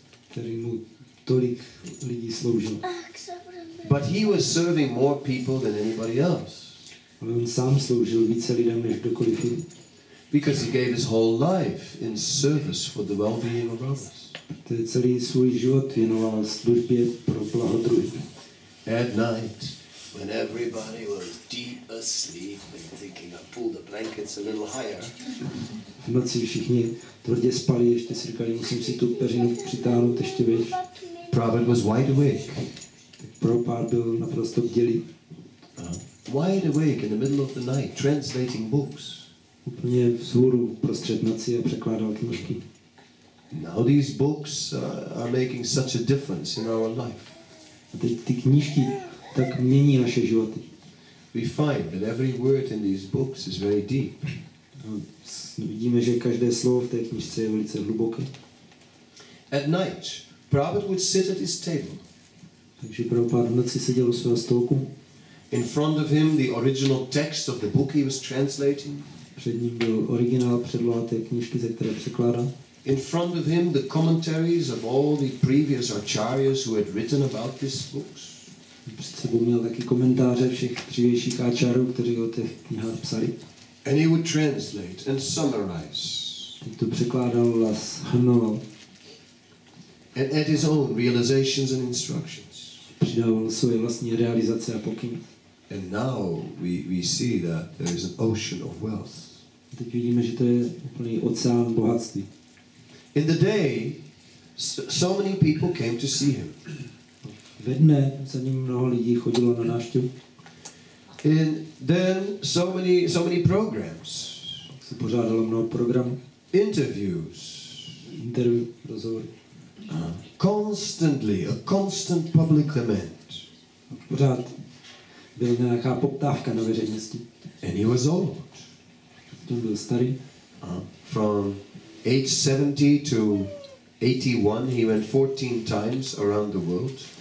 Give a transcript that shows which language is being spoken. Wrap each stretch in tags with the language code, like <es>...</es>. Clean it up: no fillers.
<cs>Který mu tolik lidí sloužil.</cs> <en>But he was serving more people than anybody else.</en> <cs>Ale on sám sloužil více lidem než kdokoliv jiný.</cs> <en>Because he gave his whole life in service for the well-being of others.</en> <cs>Protože celý svůj život věnoval službě pro blaho druhých.</cs> <en>At night, when everybody was deep asleep, thinking, I pull the blankets a little higher.</en> <cs>v noci všichni tvrdě spali, ještě si říkali, musím si tu peřinu přitáhnout, ještě víš.</cs> <en>Prabhupada was wide awake.</en> <cs>Prabhupada byl naprosto bdělý.</cs> <en>Wide awake in the middle of the night, translating books.</en> <cs>Úplně vzhůru prostřed noci a překládal knížky.</cs> <en>Now these books are making such a difference in our life.</en> <cs>A teď ty knížky tak mění naše životy.</cs> <en>We find that every word in these books is very deep.</en> <cs>Vidíme, že každé slovo v té knižce je velice hluboké.</cs> <en>At night, Prabhupada would sit at his table.</en> <cs>Takže Prabhupada v noci seděl u svého stolku.</cs> <en>In front of him, the original text of the book he was translating.</en> <cs>Před ním byl originál předloha té knižky, ze které překládal.</cs> <en>In front of him, the commentaries of all the previous acharyas who had written about these books.</en> <cs>Před sebou měl taky komentáře všech dřívějších áčarů, kteří o těch knihách psali.</cs> <en>And he would translate and summarize.</en> <cs>Teď to překládal a shrnoval.</cs> <en>And add his own realizations and instructions.</en> <cs>Přidával svoje vlastní realizace a pokyny.</cs> <en>And now we see that there is an ocean of wealth.</en> <cs>Teď vidíme, že to je úplný oceán bohatství.</cs> <en>In the day, so many people came to see him.</en> <cs>Ve dne za ním mnoho lidí chodilo na návštěvu.</cs> <en>And then so many programs.</en> <cs>Se pořádalo mnoho programů.</cs> <en>Interviews.</en> <cs>Interview, rozhovory.</cs> <en>Constantly, a constant public lament.</en> <cs>Pořád byla nějaká poptávka na veřejnosti.</cs> <en>And he was old.</en> <cs>On byl starý.</cs> <en>From age 70 to 81, he went 14 times around the world.</en>